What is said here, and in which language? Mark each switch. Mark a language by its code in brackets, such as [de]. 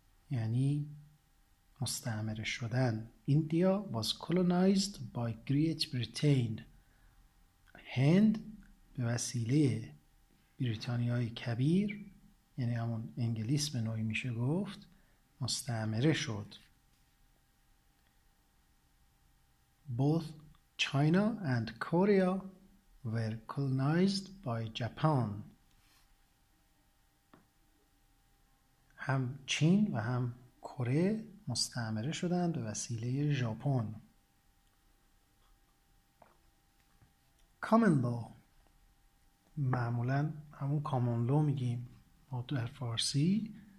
[fa] یعنی مستعمره شدن. [en] India was colonized by Great Britain. [fa] هند به وسیله بریتانیای کبیر یعنی همون انگلیس به نوعی میشه گفت مستعمره شد. [en] Both China and Korea were colonized by Japan. [fa] هم چین و هم کره مستعمره شدند به وسیله ژاپن. Common law معمولا همون common law میگیم ما در فارسی.